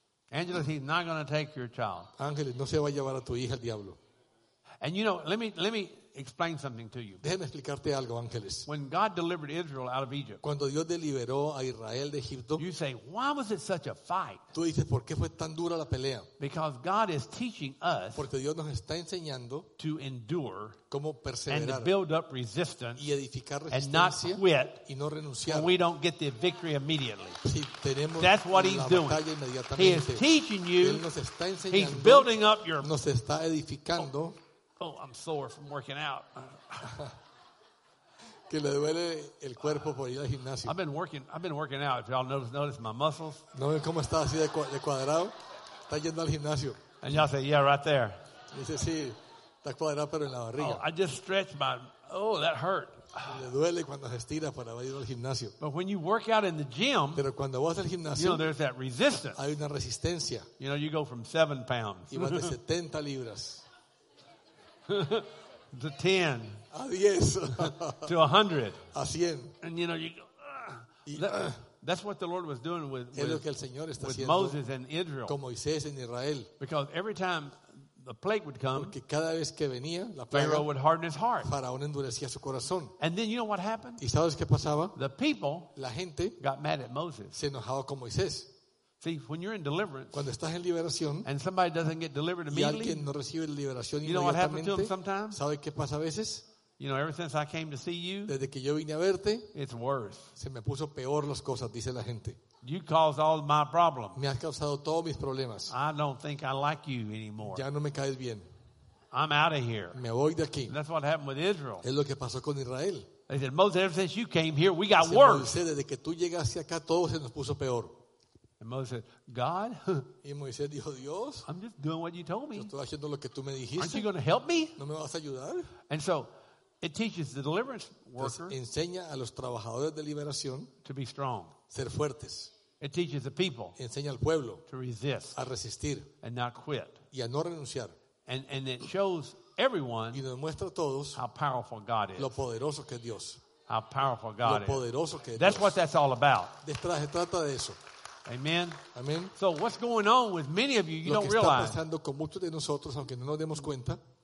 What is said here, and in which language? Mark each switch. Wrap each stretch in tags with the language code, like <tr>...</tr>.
<en>Angela, he's not going to take your child.</en> <es>Ángeles, no se va a llevar a tu hija el diablo.</es> <en>And you know, let me explain something to you.</en> <es>Déjame explicarte algo, Ángeles.</es> <en>When God delivered Israel out of Egypt.</en> <es>Cuando Dios deliberó a Israel de Egipto.</es> <en>You say, why was it such a fight?</en> <es>Tú dices, ¿por qué fue tan dura la pelea?</es> <en>Because God is teaching us.</en> <es>Porque Dios nos está enseñando.</es> <en>To endure.</en> <es>Cómo perseverar.</es> <en>And to build up resistance.</en> <es>Y edificar resistencia.</es> <en>And not quit.</en> <es>Y no renunciar.</es> <en>When we don't get the victory immediately.</en> <es>Si tenemos</es> <en>That's what he's doing.</en> <es>La batalla inmediatamente.</es> <en>He is teaching you.</en> <es>Él nos está enseñando.</es> <en>He's building up your.</en> <es>Nos está edificando.</es> <en>Oh, I'm sore from working out.</en> <es>Que le duele el cuerpo por ir al gimnasio.</es> <en>I've been working out. If y'all notice my muscles.</en> <es>¿No ven cómo está así de cuadrado? Está yendo al gimnasio.</es> <en>And y'all say, yeah, right there.</en> <es>Dice, sí, está cuadrado pero en la barriga.</es> <en>Oh, I just stretched my, oh, that hurt.</en> <es>Le duele cuando se estira para ir al gimnasio.</es> <en>But when you work out in the gym,</en> <es>pero cuando vas al gimnasio,</es> <en>you know, there's that resistance.</en> <es>Hay una resistencia.</es> <en>You know, you go from 7 pounds.</en> <es>Y vas de 70 libras.</es> <en>To 10.</en> <es>A 10.</es> <en>To 100.</en> <es>A 100.</es> <en>And you know, you go. That's what the Lord was doing with Moses and Israel.</en> <es>Con Moisés en Israel.</es> <en>Because every time the plague would come,</en> <es>porque cada vez que venía, la plaga,</es> <en>Pharaoh would harden his heart.</en> <es>Faraón endurecía su corazón.</es> <en>And then you know what happened?</en> <es>¿Y sabes qué pasaba?</es> <en>The people,</en> <es>la gente,</es> <en>got mad at Moses.</en> <es>Se enojaba con Moisés.</es> <en>See, when you're in deliverance,</en> <es>cuando estás en liberación,</es> <en>and somebody doesn't get delivered immediately,</en> <es>y alguien no recibe liberación inmediatamente,</es> <en>you know what happens to them sometimes?</en> <es>¿Sabe qué pasa a veces?</es> <en>You know, ever since I came to see you,</en> <es>desde que yo vine a verte,</es> <en>it's worse.</en> <es>Se me puso peor las cosas, dice la gente.</es> <en>You caused all my problems.</en> <es>Me has causado todos mis problemas.</es> <en>I don't think I like you anymore.</en> <es>Ya no me caes bien.</es> <en>I'm out of here.</en> <es>Me voy de aquí.</es> <en>That's what happened with Israel.</en> <es>Es lo que pasó con Israel.</es> <en>They said, Moses, ever since you came here, we got worse.</en> <es>Moisés, desde que tú llegaste acá, todo se nos puso peor.</es> <en>And Moses said, God,</en> <es>y Moisés dijo, Dios,</es> <en>I'm just doing what you told me.</en> <es>Yo estoy haciendo lo que tú me dijiste.</es> <en>Aren't you going to help me?</en> <es>¿No me vas a ayudar?</es> <en>And so it teaches the deliverance worker</en> <es>pues enseña a los trabajadores de liberación</es> <en>to be strong.</en> <es>Ser fuertes.</es> <en>It teaches the people</en> <es>enseña al pueblo</es> <en>to resist</en> <es>a resistir</es> <en>and not quit.</en> <es>Y a no renunciar.</es> <en>And it shows everyone</en> <es>y nos muestra a todos</es> <en>how powerful God is.</en> <es>Lo poderoso que es Dios.</es> <en>How powerful God</en> <es>lo poderoso</es> <en>is.</en> <es>Que es</es> <en>that's</en> <es>Dios.</es> <en>What that's all about.</en> <es>Se trata de eso.</es> <en>Amen.</en> <es>Amen.</es> <en>So what's going on with many of you, you don't realize.</en> <es>Lo que está pasando con muchos de nosotros, aunque no nos demos cuenta.</es>